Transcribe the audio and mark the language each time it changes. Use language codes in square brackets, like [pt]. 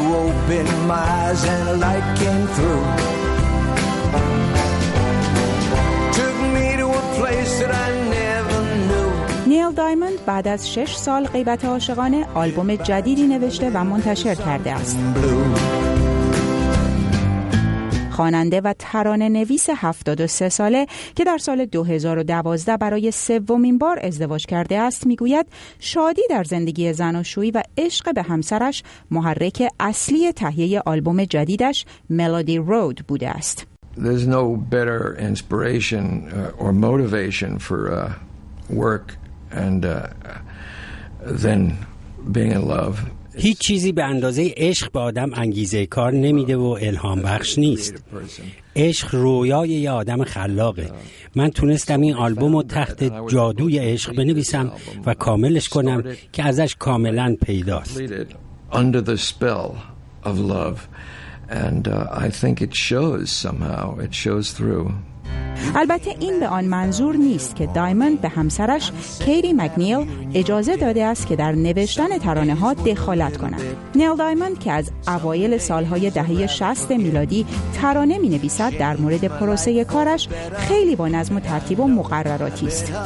[en] Open my eyes and a light came through. Took me to a place that I never knew. [fa] نیل دایموند بعد از 6 سال غیبت عاشقانه آلبوم جدیدی نوشته و منتشر کرده است. خواننده و ترانه نویس 73 ساله که در سال 2012 برای سومین بار ازدواج کرده است میگوید شادی در زندگی زناشویی و عشق به همسرش محرک اصلی تهیه آلبوم جدیدش ملودی رود بوده است. [en] There's no better inspiration or motivation for work and than being in love. [fa] هیچ چیزی به اندازه عشق به آدم انگیزه کار نمیده و الهام بخش نیست. عشق رویای یه آدم خلاقه. من تونستم این آلبوم رو تحت جادوی عشق بنویسم و کاملش کنم که ازش کاملا پیداست. [en] Under the spell of love and I think it shows somehow, it shows through. [fa] البته این به آن منظور نیست که دایموند به همسرش کیری مکنیل اجازه داده است که در نوشتن ترانه ها دخالت کند. نیل دایموند که از اوایل سالهای دهه 60 میلادی ترانه می نویسد در مورد پروسه کارش خیلی با نظم و ترتیب و مقرراتی است.